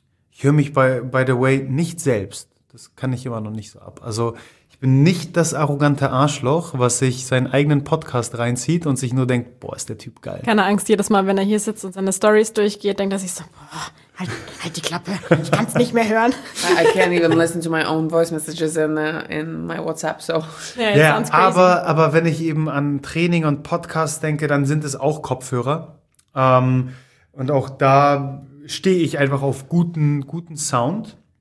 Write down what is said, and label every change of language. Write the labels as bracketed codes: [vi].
[de] Ich höre mich, [en] by the way, [de] nicht selbst. Das kann ich immer noch nicht so ab. Also ich bin nicht das arrogante Arschloch, was sich seinen eigenen Podcast reinzieht und sich nur denkt, boah, ist der Typ geil. Keine Angst, jedes Mal, wenn er hier sitzt und seine Stories durchgeht, denkt er sich so, boah, halt die Klappe, ich kann es nicht mehr hören. [en] I can't even listen to my own voice messages in my WhatsApp, so. Yeah, sounds crazy. [de] Aber wenn ich eben an Training und Podcast denke, dann sind es auch Kopfhörer. Und auch da stehe ich einfach auf guten Sound.